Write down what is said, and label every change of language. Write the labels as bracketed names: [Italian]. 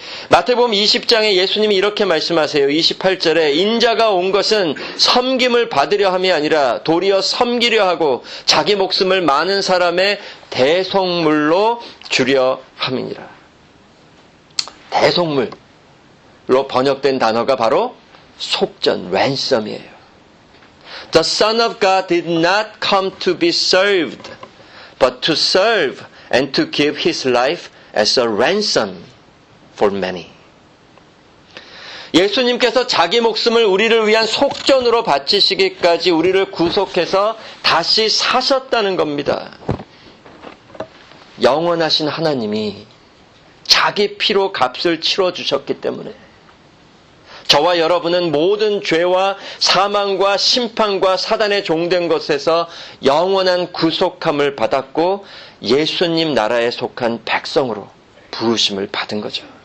[Korean] 마태복음 20장에 예수님이 이렇게 말씀하세요. 28절에 인자가 온 것은 섬김을 받으려 함이 아니라 도리어 섬기려 하고 자기 목숨을 많은 사람의 대속물로 주려 함이니라. 대속물로 번역된 단어가 바로 속전, 랜섬이에요. [English] The Son of God did not come to be served, but to serve and to give his life as a ransom for many. [Korean] 예수님께서 자기 목숨을 우리를 위한 속전으로 바치시기까지 우리를 구속해서 다시 사셨다는 겁니다. 영원하신 하나님이 자기 피로 값을 치러주셨기 때문에 저와 여러분은 모든 죄와 사망과 심판과 사단에 종된 것에서 영원한 구속함을 받았고 예수님 나라에 속한 백성으로 부르심을 받은 거죠.